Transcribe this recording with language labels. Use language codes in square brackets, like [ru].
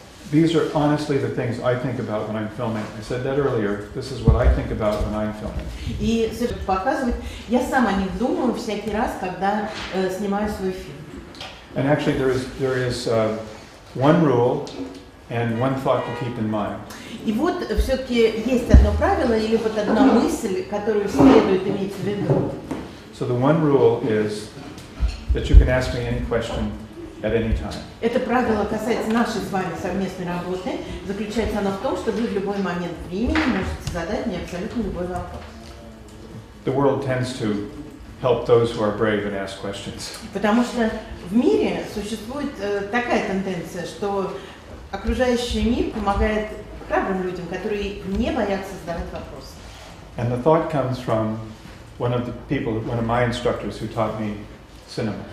[en] These are honestly the things I think about when I'm filming. I said that earlier. This is what I think about when I'm filming. [ru] И показывать, я сам о них думаю всякий раз, когда снимаю свой фильм. [en] And actually, there is one rule and one thought to keep in mind. [ru] И вот все-таки есть одно правило или вот одна мысль, которую следует иметь в виду. [en] So the one rule is that you can ask me any question at any time. [ru] Это правило касается нашей с вами совместной работы. Заключается оно в том, что вы в любой момент времени можете задать мне абсолютно любой вопрос. [en] The world tends to help those who are brave and ask questions. [ru] Потому что в мире существует такая тенденция, что окружающий мир помогает храбрым людям, которые не боятся задавать вопросы. [en] And the thought comes from one of the people, one of my instructors who taught me cinema.